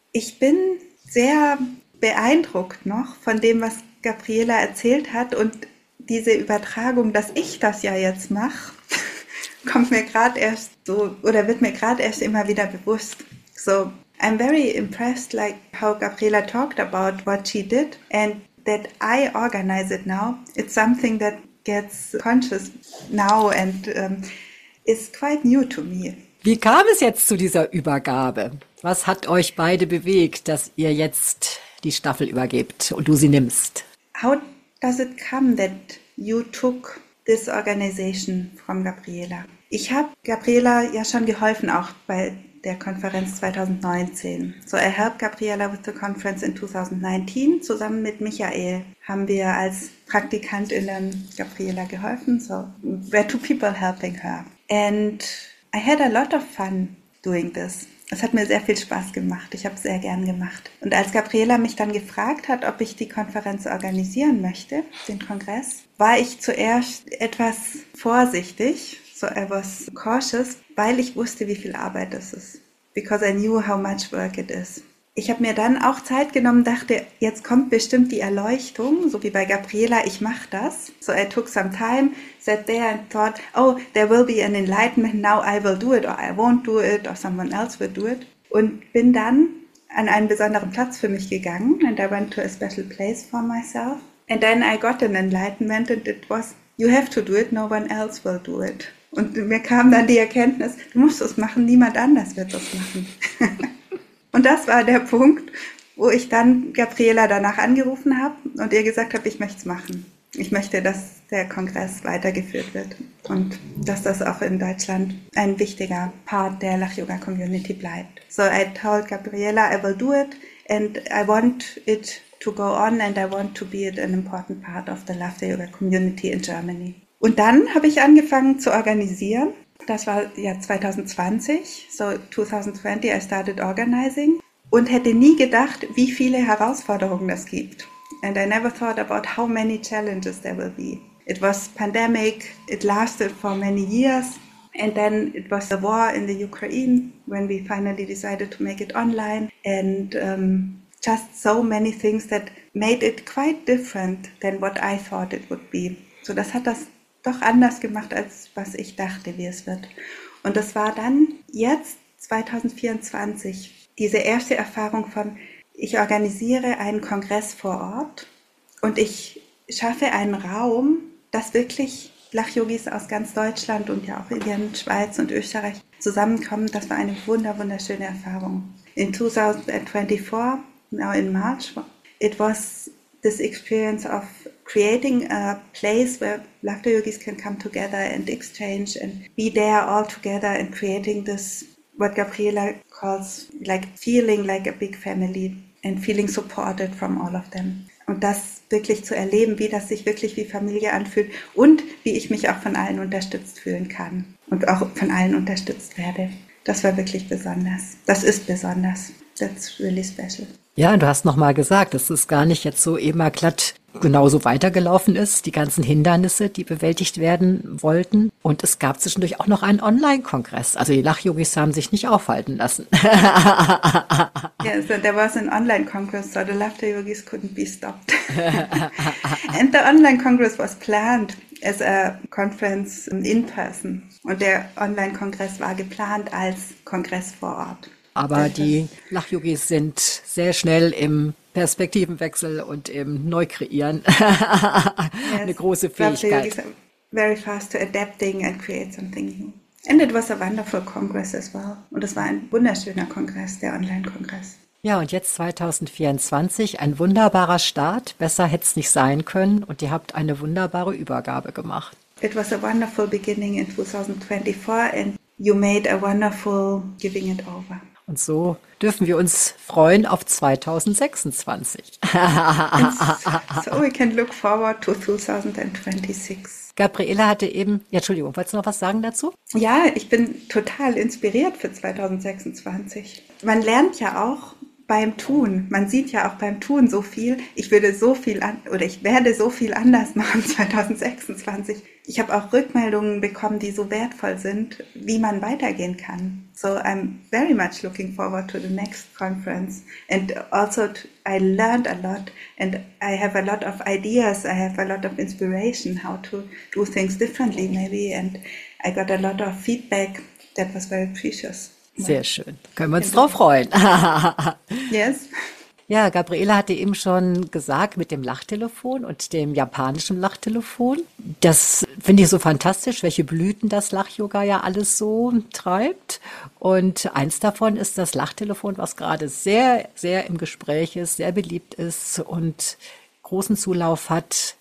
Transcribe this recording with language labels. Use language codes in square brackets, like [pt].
[de] Ich bin sehr beeindruckt noch von dem, was Gabriela erzählt hat. Und diese Übertragung, dass ich das ja jetzt mache, kommt mir gerade erst so, oder wird mir gerade erst immer wieder bewusst. [en] So, I'm very impressed, like how Gabriela talked about what she did and that I organize it now. It's something that gets conscious now and is quite new to me. [de] Wie kam es jetzt zu dieser Übergabe? Was hat euch beide bewegt, dass ihr jetzt die Staffel übergebt und du sie nimmst? [en] How does it come that you took this organization from Gabriela? [de] Ich habe Gabriela ja schon geholfen, auch bei der Konferenz 2019. [en] So I helped Gabriela with the conference in 2019. [de] Zusammen mit Michael haben wir als Praktikantinnen Gabriela geholfen. [en] So we're two people helping her. And I had a lot of fun doing this. [de] Es hat mir sehr viel Spaß gemacht. Ich habe es sehr gern gemacht. Und als Gabriela mich dann gefragt hat, ob ich die Konferenz organisieren möchte, den Kongress, war ich zuerst etwas vorsichtig. [en] So I was cautious, [de] weil ich wusste, wie viel Arbeit das ist. [en] Because I knew how much work it is. [de] Ich habe mir dann auch Zeit genommen, dachte, jetzt kommt bestimmt die Erleuchtung, so wie bei Gabriela, ich mache das. [en] So I took some time, sat there and thought, oh, there will be an enlightenment, now I will do it or I won't do it or someone else will do it. [de] Und bin dann an einen besonderen Platz für mich gegangen [en] and I went to a special place for myself. And then I got an enlightenment and it was, you have to do it, no one else will do it. [de] Und mir kam dann die Erkenntnis, du musst es machen, niemand anders wird das machen. Und das war der Punkt, wo ich dann Gabriela danach angerufen habe und ihr gesagt habe, ich möchte es machen. Ich möchte, dass der Kongress weitergeführt wird und dass das auch in Deutschland ein wichtiger Part der Lach-Yoga-Community bleibt. So I told Gabriela, I will do it and I want it to go on and I want to be an important part of the Lach-Yoga-Community in Germany. Und dann habe ich angefangen zu organisieren. Das war ja 2020, [en] so 2020 I started organizing [de] und hätte nie gedacht, wie viele Herausforderungen das gibt. [en] And I never thought about how many challenges there will be. It was pandemic, it lasted for many years and then it was the war in the Ukraine when we finally decided to make it online and just so many things that made it quite different than what I thought it would be. [de] So das hat das doch anders gemacht, als was ich dachte, wie es wird. Und das war dann jetzt 2024 diese erste Erfahrung von, ich organisiere einen Kongress vor Ort und ich schaffe einen Raum, dass wirklich Lachyogis aus ganz Deutschland und ja auch in Schweiz und Österreich zusammenkommen. Das war eine wunderschöne Erfahrung. [en] In 2024, now in March, it was this experience of creating a place where Lakta Yogis can come together and exchange and be there all together and creating this, what Gabriela calls, like feeling like a big family and feeling supported from all of them. [de] Und das wirklich zu erleben, wie das sich wirklich wie Familie anfühlt und wie ich mich auch von allen unterstützt fühlen kann und auch von allen unterstützt werde. Das war wirklich besonders. Das ist besonders. [en] That's really special. [de] Ja, du hast nochmal gesagt, dass es gar nicht jetzt so immer glatt genauso weitergelaufen ist, die ganzen Hindernisse, die bewältigt werden wollten. Und es gab zwischendurch auch noch einen Online-Kongress. Also die Lachyogis haben sich nicht aufhalten lassen. [en] Yeah, so there was an Online-Congress, so the Laughter Yogis couldn't be stopped. And the Online-Congress was planned as a conference in person. [de] Und der Online-Kongress war geplant als Kongress vor Ort. Aber die Lachyogis sind sehr schnell im Perspektivenwechsel und im Neukreieren. Yes, eine große Fähigkeit. [en] Very fast to adapting and create something new. And it was a wonderful congress as well. [de] Und es war ein wunderschöner Kongress, der Online-Kongress. Ja, und jetzt 2024, ein wunderbarer Start. Besser hätte es nicht sein können. Und ihr habt eine wunderbare Übergabe gemacht. [en] It was a wonderful beginning in 2024 and you made a wonderful giving it over. [de] Und so dürfen wir uns freuen auf 2026. [en] So we can look forward to 2026. [de] Gabriela hatte eben, ja, Entschuldigung, wolltest du noch was sagen dazu? Ja, ich bin total inspiriert für 2026. Man lernt ja auch beim Tun. Man sieht ja auch beim Tun so viel. Ich werde so viel anders machen 2026. Ich habe auch Rückmeldungen bekommen, die so wertvoll sind, wie man weitergehen kann. [en] So I'm very much looking forward to the next conference. And also I learned a lot and I have a lot of ideas. I have a lot of inspiration how to do things differently maybe. And I got a lot of feedback that was very precious. [de] Sehr schön. Können wir uns drauf freuen. [en] Yes. [de] Ja, Gabriela hatte eben schon gesagt, mit dem Lachtelefon und dem japanischen Lachtelefon. Das finde ich so fantastisch, welche Blüten das Lachyoga ja alles so treibt. Und eins davon ist das Lachtelefon, was gerade sehr, sehr im Gespräch ist, sehr beliebt ist und großen Zulauf hat.